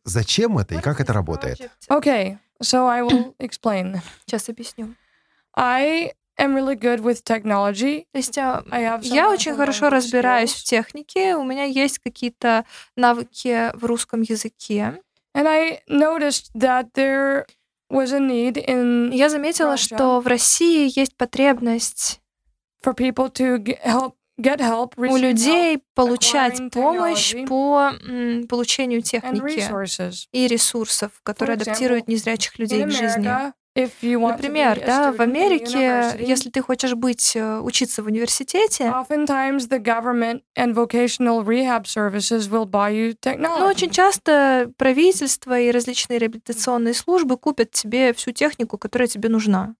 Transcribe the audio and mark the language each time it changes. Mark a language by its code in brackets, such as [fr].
[ru] Зачем это? И как это работает? [en] Okay. So I will explain. [ru] Сейчас объясню. [en] I am really good with technology. [ru] Я очень хорошо разбираюсь в технике. У меня есть какие-то навыки в русском языке. [en] And I noticed that there was a need in. [ru] Я заметила, что в России есть потребность [en] for people to help. Get help, [ru] у людей получать помощь по получению техники и ресурсов, которые адаптируют незрячих людей к жизни. Например, да, в Америке, если ты хочешь быть, учиться в университете, очень часто правительство и различные реабилитационные службы купят тебе всю технику, которая тебе нужна.